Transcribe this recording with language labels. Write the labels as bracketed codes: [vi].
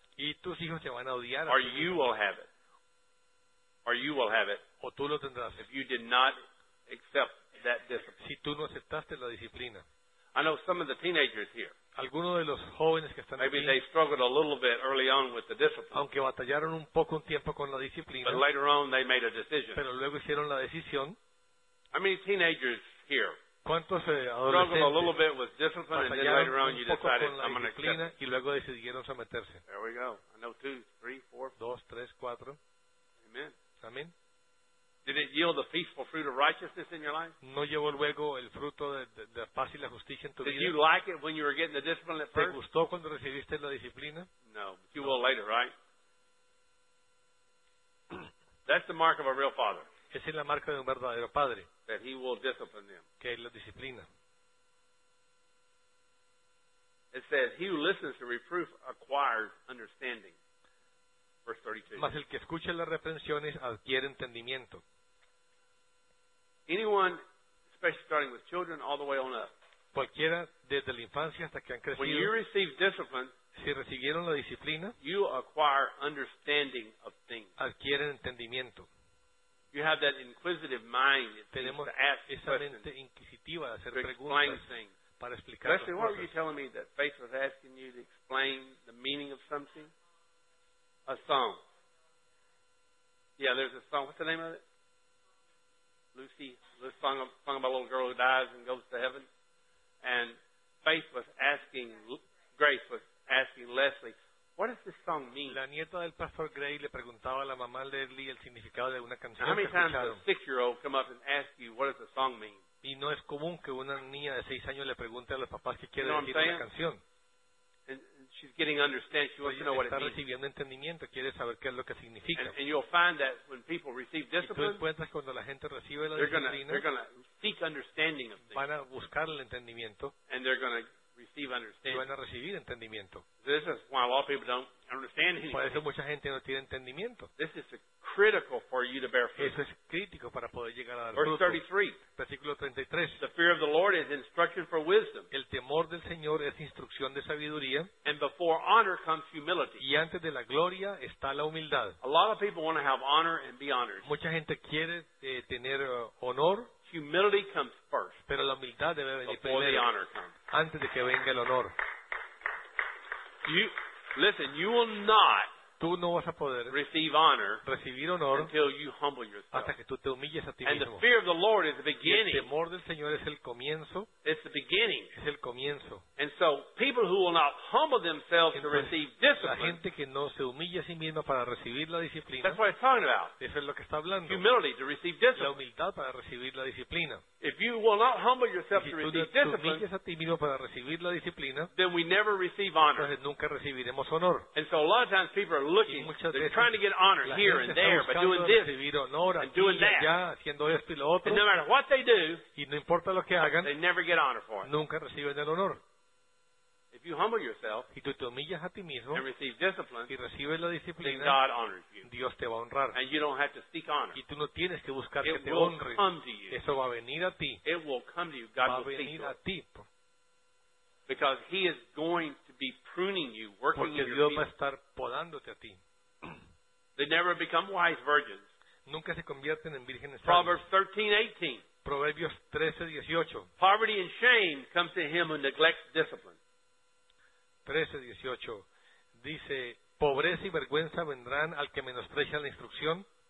[es] Y tus hijos se van a odiar. [en] Or you will have it. Or you will have it. [es] O tú lo tendrás. [en] If you did not accept that discipline. [es] Si tú no aceptaste la disciplina. [en] I know some of the teenagers here. [es] Algunos de los jóvenes que están [en] maybe [es] aquí, [en] they struggled a little bit early on with the discipline. [es] Aunque batallaron un poco un tiempo con la disciplina. [en] But later on they made a decision. [es] Pero luego hicieron la decisión. [en] How many teenagers here? [es] ¿Cuántos [en] adolescentes struggled a little bit with discipline and then later on you decided I'm going to accept it? [es] Y luego decidieron someterse. [en] There we go. I know 2, 3, 4. 2, 3, 4. Amen. Amen. Did it yield the peaceful fruit of righteousness in your life? [es] ¿No llevó luego el fruto de paz y la justicia en tu [en] did [es] vida? [en] Did you like it when you were getting the discipline at first? ¿Te gustó cuando recibiste la disciplina? No, but you will later, right? That's the mark of a real father. [es] Esa es la marca de un verdadero padre. [en] That he will discipline them. [es] Que la disciplina. [en] It says, he who listens to reproof acquires understanding. Verse 32. [es] Mas el que escucha las reprensiones adquiere entendimiento. [en] Anyone, especially starting with children, all the way on up. [es] Cualquiera desde la infancia hasta que han crecido. [en] When you receive discipline, [es] si recibieron la disciplina, [en] you acquire understanding of things. [es] Adquieren entendimiento. [en] You have that inquisitive mind. [es] Tenemos [en] to ask [es] esa mente inquisitiva de hacer preguntas para explicar las cosas. [en] Leslie, what were you telling me that faith was asking you to explain the meaning of something? A song. Yeah, there's a song. What's the name of it? Lucy. The song sung about a little girl who dies and goes to heaven. And Faith was asking, Grace was asking Leslie, what does this song mean? [es] La nieta del pastor Gray le preguntaba a la mamá Leslie el significado de una canción. [en] Now, how many times does a six-year-old come up and ask you what does the song mean? [es] Y no es común que una niña de seis años le pregunte a los papás qué quiere decir una canción. [en] And she's getting understanding. She wants to know what it means. [es] Está recibiendo entendimiento. Quiere saber qué es lo que significa. [en] And you'll find that when people receive discipline, [es] y tú encuentras cuando la gente recibe la [en] disciplina, they're going to seek understanding of things. [es] Van a buscar el entendimiento. [en] And they're going to receive understanding. [es] Y van a recibir entendimiento. [en] This is why a lot of people don't understand anything. [es] Por eso mucha gente no tiene entendimiento. [en] This is critical for you to bear fruit. [es] Eso es crítico para poder llegar a dar fruto. [en] Verse 33. [es] Versículo 33. [en] The fear of the Lord is instruction for wisdom. [es] El temor del Señor es instrucción de sabiduría. [en] And before honor comes humility. [es] Y antes de la gloria está la humildad. [en] A lot of people want to have honor and be honored. [es] Mucha gente quiere tener honor. [en] Humility comes first. [es] Pero la humildad debe venir [en] before [es] primero. [en] The honor comes. [es] Antes de que venga el honor. [en] You will not. [es] Tú no vas a poder [en] receive honor, [es] recibir honor [en] until you humble yourself. [es] Hasta que tú te humilles a ti [en] and [es] mismo. [en] The fear of the Lord is the beginning. [es] Y el temor del Señor es el comienzo. [en] It's the beginning. [es] Es el comienzo. [en] And so people who will not humble themselves [es] entonces, [en] to receive discipline. [es] La gente que no se humilla a sí misma para recibir la disciplina. [en] That's what it's talking about. [es] Eso es lo que está hablando. [en] Humility to receive discipline. [es] La humildad para recibir la disciplina. [en] If you will not humble yourself [es] si [en] to receive discipline, [es] si tú te humillas a ti mismo para recibir la disciplina, [en] then we never receive honor. [es] Entonces nunca recibiremos honor. [en] And so a lot of times people are looking, they're trying to get honor here and there, but doing this and doing that, [es] haciendo esto y lo otro, [en] and no matter what they do, [es] y no importa lo que hagan, [en] they never get honor for it. [es] Nunca reciben el honor. [en] If you humble yourself [es] y tú te humillas a ti mismo, [en] and receive discipline, [es] y recibes la disciplina, [en] then God honors you. [es] Dios te va a honrar. [en] And you don't have to seek honor. [es] Y tú no tienes que buscar que te [en] honre. It will come to you. [es] Eso va a venir a ti. [en] It will come to you. God [es] va a venir a ti. [en] Because he is going to be pruning you, working [es] porque [en] in your [es] va a estar podándote a ti. [en] They never become wise virgins. [es] Nunca se convierten en vírgenes sabias. [en] Proverbs 13:18. [es] Proverbios 13:18. [en] Poverty and shame come to him who neglects discipline. [es] 13:18 dice, pobreza y vergüenza vendrán al que menosprecia la instrucción.